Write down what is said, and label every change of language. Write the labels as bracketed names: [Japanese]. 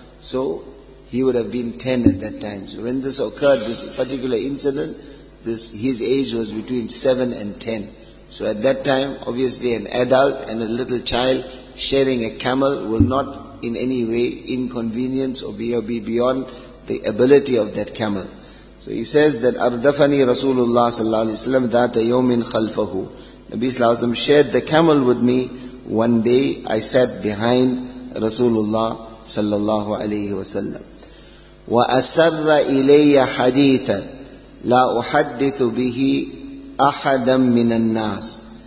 [English] So he would have been 10 at that time. So when this occurred, this particular incident, his age was between 7 and 10. So at that time, obviously an adult and a little child sharing a camel will not in any way inconvenience or be beyond the ability of that camel. So he says that, [Arabic] أَرْدَفَنِي رَسُولُ اللَّهِ صَلَّى اللَّهِ عَلَيْهِ وَسَلَّمْ ذَاتَ يَوْمٍ خَلْفَهُ. [English] Nabi sallallahu alayhi wa sallam shared the camel with me. One day I sat behind Rasulullah sallallahu alayhi wa sallam. [Arabic] وَأَسَرَّ إِلَيَّ حَدِيثًا لَا أُحَدِّثُ بِهِ أَحَدًا مِّنَ النَّاسِ.